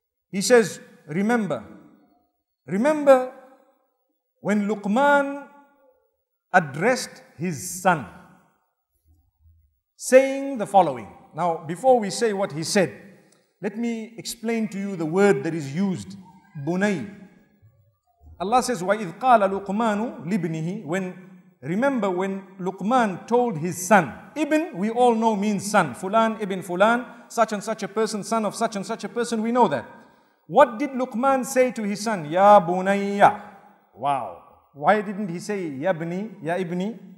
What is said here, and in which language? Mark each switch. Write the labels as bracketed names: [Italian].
[English] He says, remember when Luqman addressed his son, saying the following. Now, before we say what he said, let me explain to you the word that is used, bunay. [Arabic] Allah says, وَإِذْ قَالَ لُقْمَانُ لِبْنِهِ. [English] Remember when Luqman told his son, Ibn, we all know, means son. Fulan, Ibn Fulan, such and such a person, son of such and such a person, we know that. What did Luqman say to his son? Ya bunayya. Wow. Why didn't he say, [Arabic] Ya Ibni, Ya Ibni?